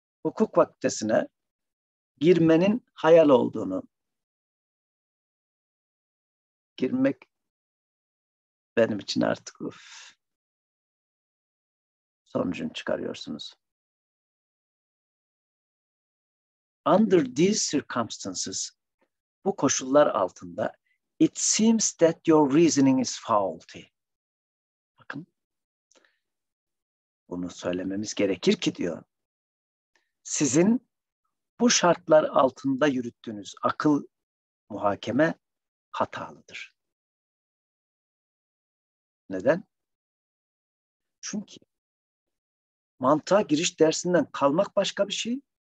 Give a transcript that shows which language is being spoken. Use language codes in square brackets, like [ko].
[tr] Hukuk fakültesine girmenin hayal olduğunu, girmek benim için artık sonucunu çıkarıyorsunuz. [en] Under these circumstances, [tr] bu koşullar altında, [en] it seems that your reasoning is faulty. [tr] Bakın, bunu söylememiz gerekir ki diyor, sizin bu şartlar altında yürüttüğünüz akıl muhakeme hatalıdır. Neden? Çünkü mantığa giriş dersinden kalmak başka bir şey.